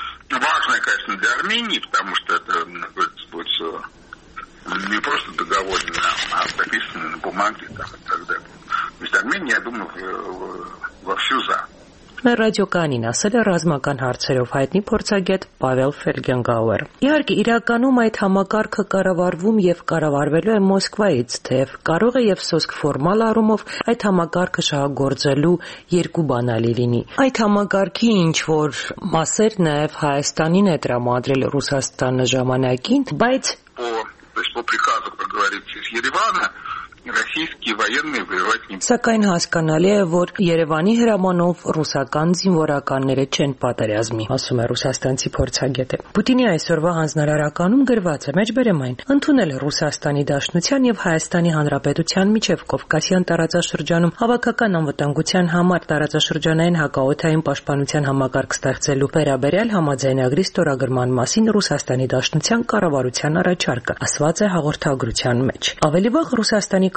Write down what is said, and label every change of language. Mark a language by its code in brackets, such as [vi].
[ru] Важно, конечно, для Армении, потому что это будет не просто договорено, а прописано на бумаге там, и так далее. То есть Армения, я думаю, вовсю за. [hy] Ռադիոկանին ասել է ռազմական հարցերով հայտնի փորձագետ Պավել Ֆելգենգաուեր։ Իհարկե, իրականում այդ համակարգը կառավարվում և կառավարվելու է Մոսկվայից, թեև կարող է և սոսկ ֆորմալ առումով այդ համակարգը շահագործելու երկու բանալի լինի։ Այդ համակարգի ինչ-որ մասեր նաև Հայաստանին է տրամադրել Ռուսաստանը ժամանակին, [ru] բայց российские военные воевать не. [hy] Սակայն հասկանալի է, որ Երևանի հրամանով ռուսական զինվորականները չեն պատերազմի, ասում է ռուսաստանցի փորձագետը։ Պուտինի այսօրվա հանձնարարականում գրված է մեջբերեմային ընդունել ռուսաստանի Դաշնության և Հայաստանի Հանրապետության միջև Կովկասյան տարածաշրջանում հավաքական անվտանգության համար տարածաշրջանային հակաօթային պաշտպանության համակարգ ստեղծելու վերաբերյալ համաձայնագրի ստորագրման մասին ռուսաստանի Դաշնության կառավարության առաջարկը, ասված է հաղորդագրության մեջ։ Ավելի վաղ ռուսաստանի